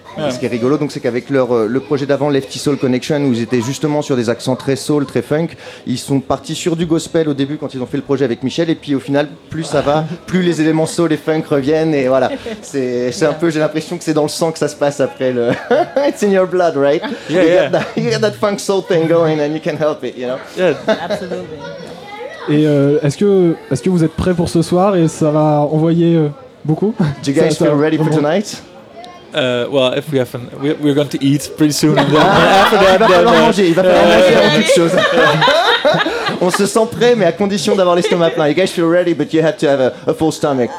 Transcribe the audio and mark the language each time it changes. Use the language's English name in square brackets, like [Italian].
[French] Ce qui est rigolo, donc, c'est qu'avec le projet d'avant, Lefty Soul Connection, où ils étaient justement sur des accents très soul, très funk, ils sont partis sur du gospel au début quand ils ont fait le projet avec Michel, et puis au final, plus ça va, plus les éléments soul et funk reviennent, et voilà. C'est un peu, j'ai l'impression que c'est dans le sang que ça se passe après le. [English] It's in your blood, right? Yeah, you got that, funk soul thing going, and you can help it, you know? Yeah, absolutely. [French] Et est-ce que vous êtes prêts pour ce soir et ça va envoyer beaucoup? [English] Do you guys feel ready for tonight? Well, if we have we're going to eat pretty soon. And then after that, [French] on se sent prêt, mais à condition d'avoir l'estomac plein. [English] You guys feel ready, but you have to have a full stomach.